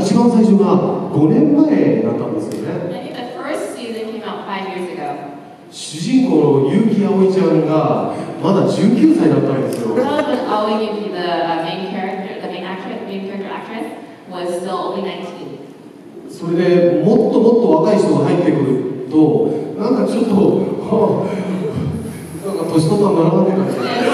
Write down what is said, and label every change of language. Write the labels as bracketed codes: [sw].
[ja] 一番最初が5年前だったんですよね [en] The first season came out 5 years ago [ja] 主人公のユウキアオイちゃんがまだ19歳だったんですよ [en] Aoi Yuki, the main character, the main character actress was still only 19 [ja] それでもっともっと若い人が入ってくるとなんかちょっと年取ったんだなって感じ